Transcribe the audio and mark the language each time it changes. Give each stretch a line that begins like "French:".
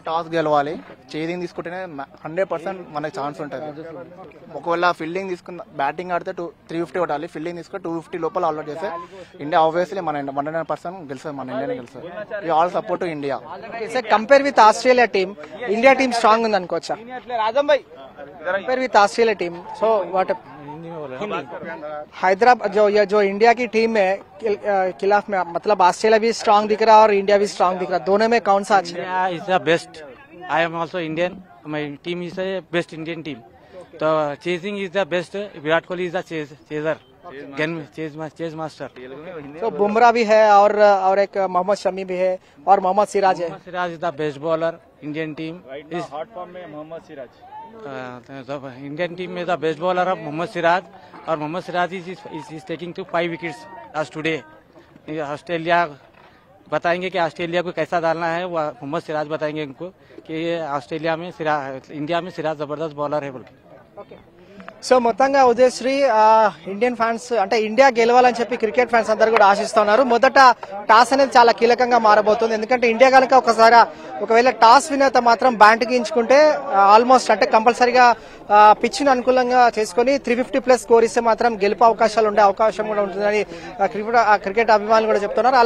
Telugu: Toss గెలవాలి చేదింగ్ తీసుకుంటేనే 100% మనకి ఛాన్స్ ఉంటుంది ఒకవేళ ఫీల్డింగ్ తీసుకున్న బ్యాటింగ్ ఆడితే 350 కొట్టాలి ఫీల్డింగ్ తీసుకుని 250 లోపల ఆల్ అవుట్ చేస్తే ఇండియా ఆబ్వియస్లీ మన 100% గెలుస్తుంది మన ఇండియానే గెలుస్తుంది
English: we all support to India compare with Australia team
Telugu: India team strong ఉంది అనుకోవచ్చా compare with Australia team
English: so what
Hindi: Hindi में बोल रहे हैं। हैदराबाद जो ये जो इंडिया की टीम है खिलाफ में, मतलब ऑस्ट्रेलिया भी स्ट्रांग दिख रहा है और इंडिया भी स्ट्रांग दिख रहा है, दोनों में कौन सा अच्छा?
English: Is the best, I am also Indian, my team is the best Indian team, तो chasing is the best, Virat Kohli is the chaser, chase master.
Hindi: तो बुमराह भी है और एक मोहम्मद शमी भी है और मोहम्मद सिराज है।
English: Siraj is the best bowler Indian team right now,
Hindi: hot form में मोहम्मद सिराज, इंडियन टीम में द बेस्ट बॉलर है मोहम्मद सिराज, और Mohammad Siraj
English: is taking to 5 wickets
Hindi: आज टुडे। ऑस्ट्रेलिया बताएंगे कि ऑस्ट्रेलिया को कैसा डालना है, वो मोहम्मद सिराज बताएंगे उनको कि ऑस्ट्रेलिया में इंडिया में सिराज जबरदस्त बॉलर है बोल के।
Telugu: सो మొత్తంగా ఉదయశ్రీ ఇండియన్ ఫ్యాన్స్ అంటే ఇండియా గెలవాలని చెప్పి క్రికెట్ ఫ్యాన్స్ అందరూ కూడా ఆశిస్తున్నారు, మొదట టాస్ అనేది చాలా కీలకంగా మారబోతుంది, ఎందుకంటే ఇండియా గనుక ఒకసారి ఒకవేళ టాస్ విన్నంత మాత్రం బ్యాటింగ్ ఎంచుకుంటే ఆల్మోస్ట్ అంటే కంపల్సరీగా పిచ్ ని అనుకూలంగా చేసుకుని 350+ స్కోర్ ఇస్తే మాత్రం గెలుపు అవకాశాలు ఉండే అవకాశం కూడా ఉంటుందని క్రికెట్ అభిమానులు కూడా చెప్తున్నారు.